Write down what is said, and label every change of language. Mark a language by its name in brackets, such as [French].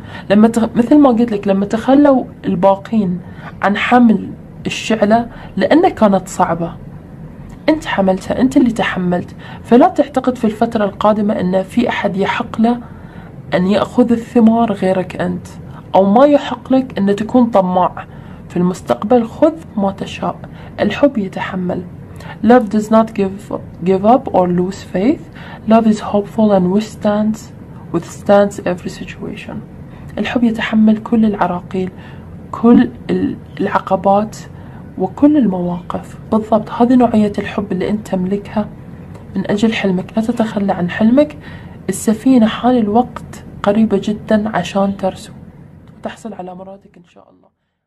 [Arabic] لما مثل ما قلت لك، لما تخلوا الباقين عن حمل الشعلة لأنها كانت صعبة، أنت حملتها، أنت اللي تحملت. فلا تعتقد في الفترة القادمة أن في أحد يحق له أن يأخذ الثمار غيرك أنت، أو ما يحق لك أن تكون طماع في المستقبل. خذ ما تشاء، الحب يتحمل. [English] Love does not give up or lose faith. Love is hopeful and withstands every situation. [Arabic] الحب يتحمل كل العراقيل، كل العقبات وكل المواقف. بالضبط، هذه نوعية الحب اللي أنت تملكها من أجل حلمك. لا تتخلى عن حلمك، السفينة حال الوقت قريبة جدا عشان ترسو وتحصل على مرادك إن شاء الله.